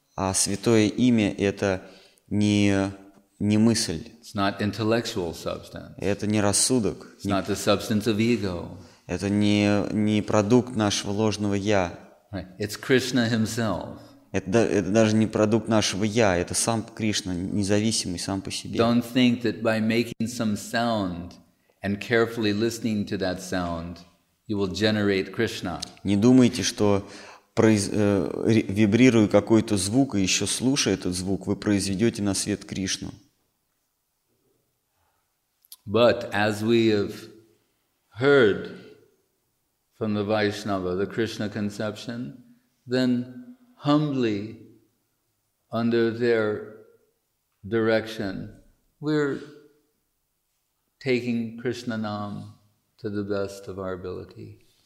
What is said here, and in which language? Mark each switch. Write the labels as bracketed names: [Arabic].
[Russian] А святое имя – это не мысль. [English] It's not intellectual substance. [Russian] Это не рассудок. [English] It's not the substance of ego. [Russian] Это не продукт нашего ложного «я». [English] It's Krishna himself. [Russian] Это даже не продукт нашего «я», это сам Кришна, независимый сам по себе. [English] Don't think that by making some sound and carefully listening to that sound, you will generate Krishna. [Russian] Не думайте, что вибрируя какой-то звук и еще слушая этот звук, вы произведете на свет Кришну. [English] But as we have heard from the Vaishnava, the Krishna conception, then humbly, under their direction, we're taking Krishna Nam to the best of our ability.